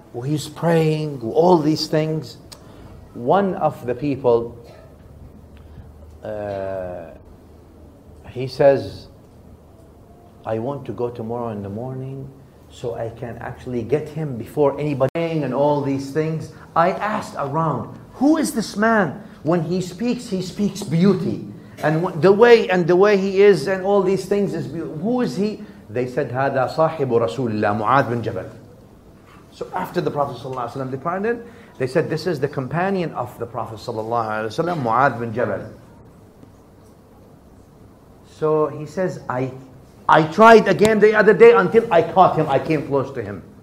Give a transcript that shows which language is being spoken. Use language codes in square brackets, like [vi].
[en] He's praying, all these things. One of the people, he says, I want to go tomorrow in the morning so I can actually get him before anybody and all these things. I asked around, who is this man? When he speaks beauty. And the way he is and all these things is beautiful. Who is he? They said, [ar] هذا صاحب رسول الله معاذ بن جبل. [en] So after the Prophet ﷺ departed, they said, this is the companion of the Prophet ﷺ, Mu'adh bin Jabal. So he says, I tried again the other day until I caught him. I came close to him.